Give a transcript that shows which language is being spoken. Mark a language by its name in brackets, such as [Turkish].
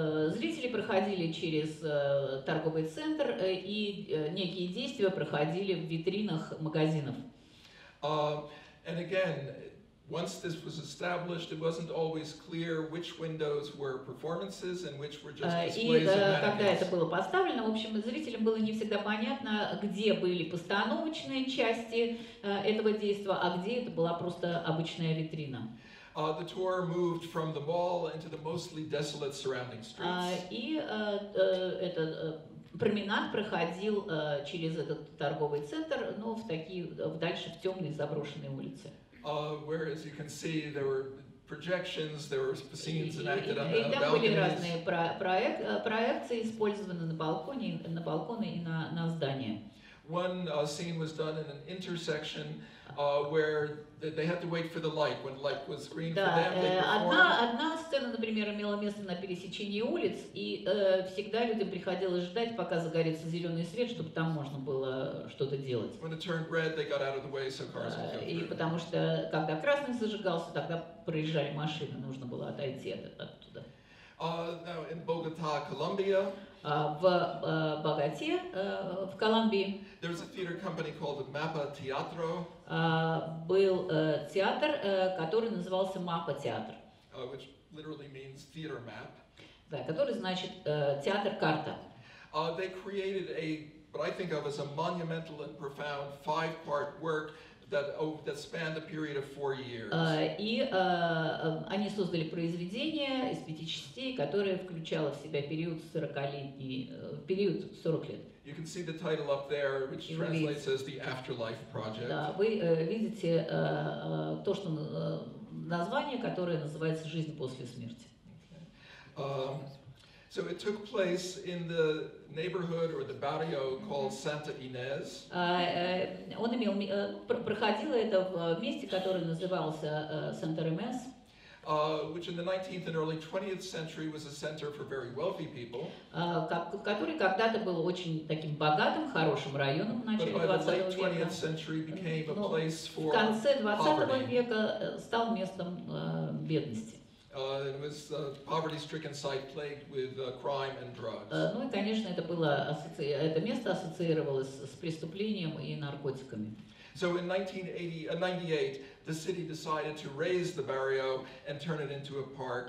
[Russian] Зрители проходили через торговый центр, и некие действия проходили в витринах магазинов. [English] And again, once this was established, it wasn't always clear which windows were performances and which were just displays and mannequins. [Russian] И когда это было поставлено, в общем, зрителям было не всегда понятно, где были постановочные части этого действа, а где это была просто обычная витрина. [English] The tour moved from the mall into the mostly desolate surrounding streets. [Russian] Променад проходил через этот торговый центр, но в такие, дальше в темные заброшенные улицы. [English] Where, as you can see, there were projections, there were scenes enacted on balconies. [Russian] И там были разные проекции, использованы на балконе, на балконы и на здания. [English] One scene was done in an intersection where they had to wait for the light, when light was green [Russian] да, [English] for them, they [Russian] одна сцена, например, имела место на пересечении улиц, и всегда людям приходилось ждать, пока загорится зеленый свет, чтобы там можно было что-то делать. [English] When it turned red, they got out of the way, so cars could go through. [Russian] И потому что, когда красный зажигался, тогда проезжали машины, нужно было отойти оттуда. [English] Now, in Bogota, Colombia, [Russian] в Колумбии. [English] There was a theater company called Mapa Teatro. [Russian] Был театр, который назывался Mapa Театр. [English] Which literally means theater map. [Russian] Да, который значит театр карта. [English] They created a, what I think of as a monumental and profound five-part work that spanned a period of 4 years. [Russian] Они создали произведение из пяти частей, которое включало в себя период 40 лет. [English] You can see the title up there, which translates as the Afterlife Project. [Russian] Да, вы видите то, что название, которое называется «Жизнь после смерти». [English] So it took place in the neighborhood or the barrio called Santa Inés. [Russian] Он имел проходило это в месте, которое называлось Santa Inés. [English] Which in the 19th and early 20th century was a center for very wealthy people. [Russian] Который когда-то был очень таким богатым, хорошим районом в начале 20-го века. [English] But by the late 20th century became a place for poverty. [Russian] В конце 20-го века стал местом бедности. [English] It was a poverty-stricken site plagued with crime and drugs. [Russian] Ну и конечно это место ассоциировалось с преступлением и наркотиками. [English] So in 1998, the city decided to raise the barrio and turn it into a park.